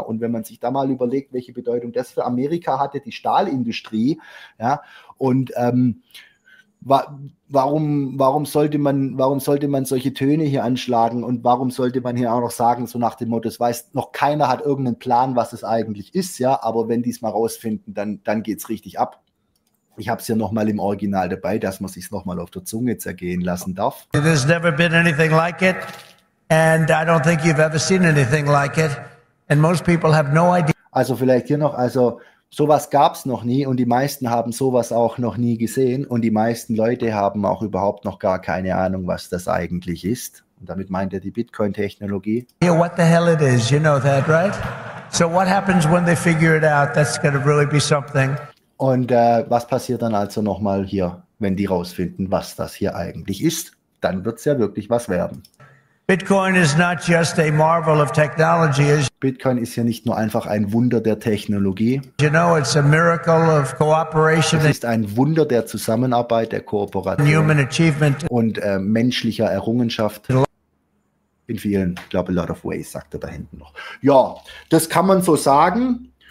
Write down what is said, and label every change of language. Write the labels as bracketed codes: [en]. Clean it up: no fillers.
[de] Und wenn man sich da mal überlegt, welche Bedeutung das für Amerika hatte, die Stahlindustrie, ja, und warum sollte man solche Töne hier anschlagen und warum sollte man hier auch noch sagen, so nach dem Motto, es weiß noch keiner, hat irgendeinen Plan, was es eigentlich ist, ja, aber wenn die es mal rausfinden, dann geht es richtig ab. Ich habe es ja nochmal im Original dabei, dass man sich es nochmal auf der Zunge zergehen lassen darf. [en] There's never been anything like it and I don't think you've ever seen anything like it and most people have no idea. [de] Also vielleicht hier noch, also sowas gab es noch nie und die meisten haben sowas auch noch nie gesehen und die meisten Leute haben auch überhaupt noch gar keine Ahnung, was das eigentlich ist. Und damit meint er die Bitcoin-Technologie. [en] Yeah, what the hell it is, you know that, right? So what happens when they figure it out? That's going to really be something. [de] Und was passiert dann also nochmal hier, wenn die rausfinden, was das hier eigentlich ist? Dann wird es ja wirklich was werden. [en] Bitcoin is not just a marvel of technology. [de] Bitcoin ist ja nicht nur einfach ein Wunder der Technologie. [en] You know, it's a miracle of cooperation. [de] Es ist ein Wunder der Zusammenarbeit, der Kooperation [en] human achievement. [de] Und menschlicher Errungenschaft. In vielen, ich glaube, [en] a lot of ways, [de] sagt er da hinten noch. Ja, das kann man so sagen.